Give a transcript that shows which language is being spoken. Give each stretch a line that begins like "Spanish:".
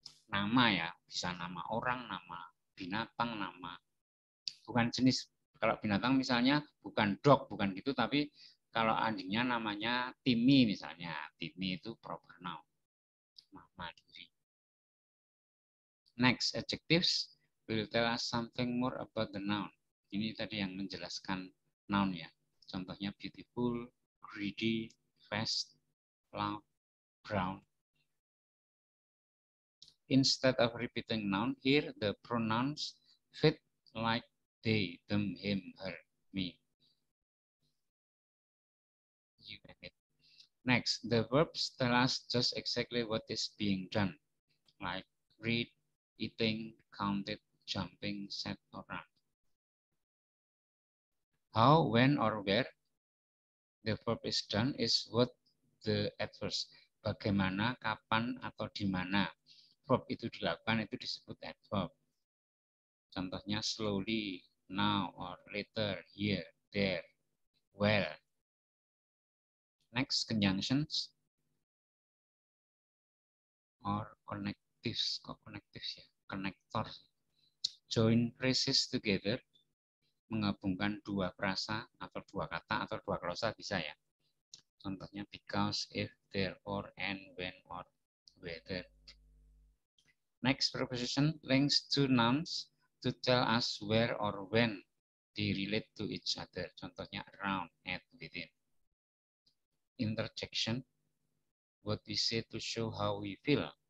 Indonesian: Nama ya, bisa nama orang, nama binatang, nama bukan jenis. Kalau binatang misalnya bukan dog, bukan gitu, tapi kalau anjingnya namanya Timmy misalnya, Timmy itu proper noun, nama diri.
English: Next, adjectives will tell us something more about the noun.
Indonesian: Ini tadi yang menjelaskan noun ya. Contohnya beautiful, greedy, fast, loud, brown.
English: Instead of repeating noun, here the pronouns fit like they, them, him, her, me. You and it. Next, the verbs tell us just exactly what is being done, like read, eating, counted, jumping, set, or run. How, when, or where the verb is done is what the adverb.
Indonesian: Bagaimana, kapan, atau di mana verb itu dilakukan itu disebut adverb.
English: Contohnya slowly, now, or later, here, there, well. Next, conjunctions or connectives. Kok connectives ya? Connector. Join phrases together.
Indonesian: Menggabungkan dua frasa atau dua kata atau dua klausa bisa ya.
English: Contohnya because, if, therefore, and, when, or whether. Next, preposition links two nouns to tell us where or when they relate to each other. Contohnya around, at, within. Interjection, what we say to show how we feel.